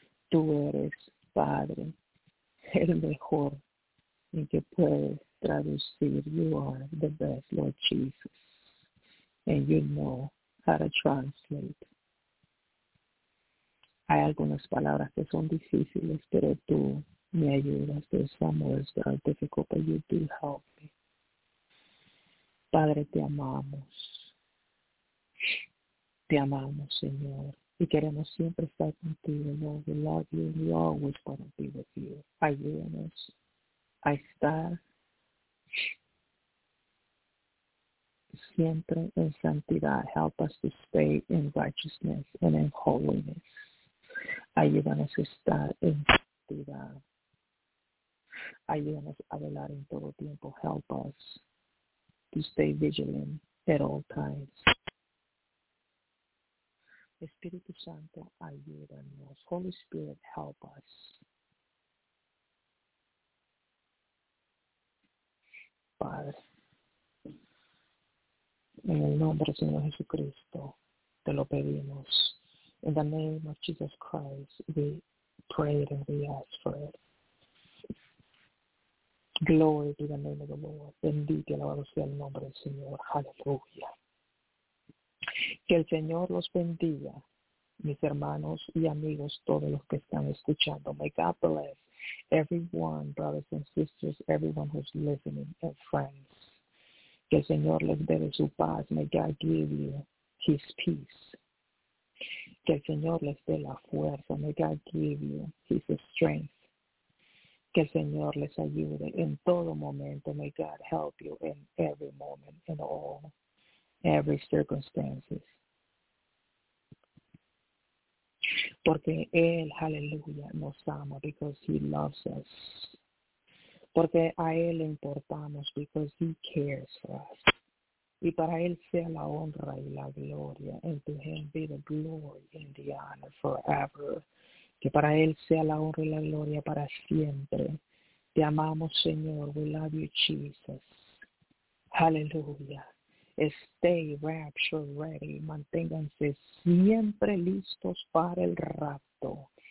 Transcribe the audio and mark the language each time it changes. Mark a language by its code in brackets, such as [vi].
[es] Tú eres, Padre, el mejor en que puedes traducir. [en] You are the best, Lord Jesus. And you know how to translate. [es] Hay algunas palabras que son difíciles, pero tú me ayudas. [en] There's some words that are difficult, but you do help me. [es] Padre, te amamos, Señor, y queremos siempre estar contigo, [en] Lord, we love you, we always want to be with you. [es] Ayúdanos a estar siempre en santidad, [en] help us to stay in righteousness and in holiness. [es] Ayúdanos a estar en santidad, ayúdanos a velar en todo tiempo, [en] help us to stay vigilant at all times. [es] Espíritu Santo, ayúdanos. [en] Holy Spirit, help us. [es] Padre, en el nombre del Señor Jesucristo, te lo pedimos. [en] In the name of Jesus Christ, we pray and we ask for it. Glory to the name of the Lord. [es] Bendito y alabado sea el nombre del Señor. Aleluya. Que el Señor los bendiga, mis hermanos y amigos, todos los que están escuchando. [en] May God bless everyone, brothers and sisters, everyone who's listening, and friends. [es] Que el Señor les dé su paz. [en] May God give you his peace. [es] Que el Señor les dé la fuerza. [en] May God give you his strength. [es] Que el Señor les ayude en todo momento. [en] May God help you in every moment, in all, every circumstances. [es] Porque Él, aleluya, nos ama, [en] because He loves us. [es] Porque a Él importamos, [en] because He cares for us. [es] Y para él sea la honra y la gloria. [en] In to him be the glory and the honor forever. [es] Que para él sea la honra y la gloria para siempre. Te amamos, Señor. [en] We love you, Jesus. Hallelujah. Stay rapture ready. [es] Manténganse siempre listos para el rapto.